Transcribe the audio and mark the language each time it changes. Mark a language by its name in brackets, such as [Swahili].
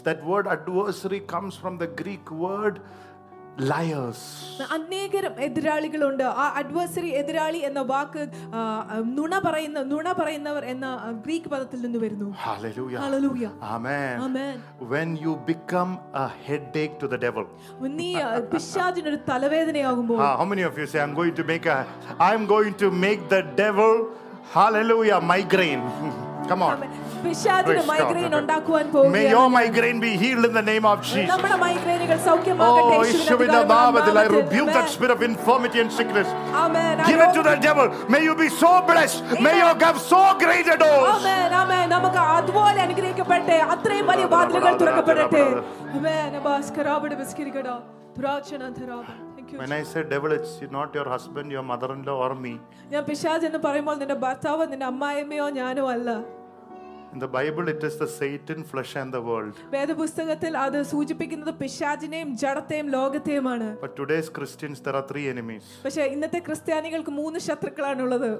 [English] That word adversary comes from the Greek word liars. [Malayalam] അനേകം എതിരാളികൾ ഉണ്ട്. ആ അഡ്വേഴ്സറി എതിരാളി എന്ന വാക്ക് നുണ പറയുന്നവർ എന്ന ഗ്രീക്ക് പദത്തിൽ നിന്ന് വരുന്നു. [English] Hallelujah. Hallelujah. Amen. Amen. When you become a headache to the devil. [Malayalam] നീ പിശാചിന് ഒരു തലവേദനയാകുമ്പോൾ. [English] How many of you say I'm going to make the devil, hallelujah, migraine. Come on. [Malayalam] പിശാചിന് മൈഗ്രെയിൻ ഉണ്ടാക്കുവാൻ പോവുകയാണ്. [English] May your migraine be healed in the name of Jesus. [Malayalam] നമ്മുടെ മൈഗ്രെയിനുകൾ സൗഖ്യമാകട്ടെ യേശുവിന്റെ നാമത്തിൽ. [English] I rebuke that spirit of infirmity and sickness. Amen. Give it to the devil. May you be so blessed. May you have so great a door. [Malayalam] Amen. Amen. നമുക്ക് അതുപോലെ അനുഗ്രഹിക്കപ്പെട്ടെ. അത്രയും വലിയ വാതിലുകൾ തുറക്കപ്പെടട്ടെ. Amen. ബാസ്കരാബട ബസ്കിരികട ദുരാചനന്തരാബ. [English] When I said devil, it's not your husband, your mother-in-law or me. [Malayalam] ഞാൻ പിശാച് എന്ന് പറയുമ്പോൾ നിന്റെ ഭർത്താവോ നിന്റെ അമ്മായിയോ ഞാനോ അല്ല. [English] In the Bible, it is the Satan, flesh, and the world. [Malayalam] വേദപുസ്തകത്തിൽ അത് സൂചിപ്പിക്കുന്നത് പിശാചിനെയും ജഡത്തെയും ലോകത്തെയുമാണ്. [English] But today's Christians, there are three enemies. [Malayalam] പക്ഷേ ഇന്നത്തെ ക്രിസ്ത്യാനികൾക്ക് മൂന്ന് ശത്രുക്കളാണ് ഉള്ളത്.